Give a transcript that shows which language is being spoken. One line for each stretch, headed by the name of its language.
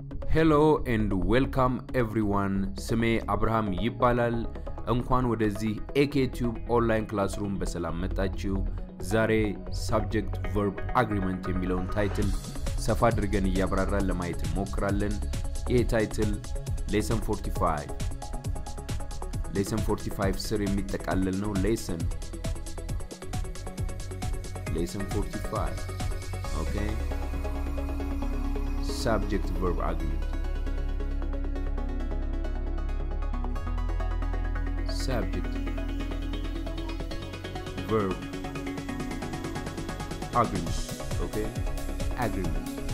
English: Hello and welcome everyone.
Amharic: ስሜ አብርሃም ይባላል። እንኳን ወደዚህ AK Tube online classroom በሰላም መጣችሁ። ዛሬ subject verb agreement የሚለውን title ሰፋ አድርገን ያብራራን ለማየት ሞክራለን። ይህ title lesson 45. lesson 45 ስር የሚጠቃለል ነው lesson 45.
English: Okay. Subject verb agreement. Subject verb agreement. Okay. Agreement.